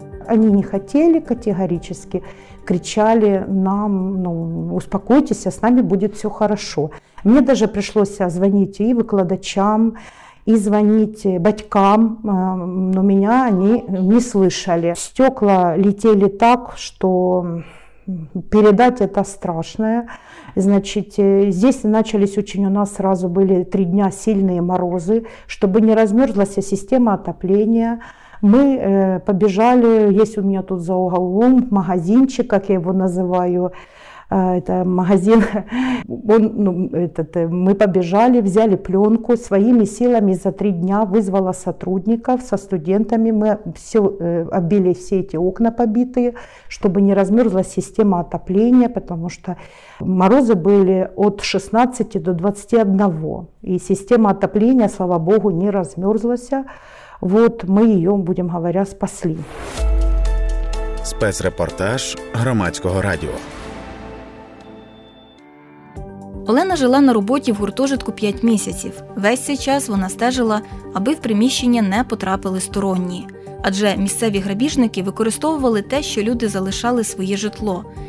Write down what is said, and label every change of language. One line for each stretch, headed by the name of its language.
Ukrainian: Вони не хотіли категорично, кричали нам, ну, успокойтеся, з нами буде все хорошо. Мені навіть прийшлося дзвонити і викладачам, і дзвонити батькам, але мене вони не слышали. Стекла летіли так, що передати це страшно.
Russian: Значить, здесь начались очень у нас сразу были 3 дня сильные морозы, чтобы не размерзлась система отопления. Мы побежали, есть у меня тут за углом магазинчик, как я его называю, это магазин. Мы побежали, взяли пленку, своими силами за 3 дня вызвала сотрудников со студентами. Мы оббили все эти окна побитые, чтобы не размерзлась система отопления, потому что морозы были от 16 до 21. И система отопления, слава богу, не размерзлась. Вот мы ее, будем говоря, спасли.
Ukrainian: Спецрепортаж громадського радіо. Олена жила на роботі в гуртожитку 5 місяців. Весь цей час вона стежила, аби в приміщення не потрапили сторонні. Адже місцеві грабіжники використовували те, що люди залишали своє житло.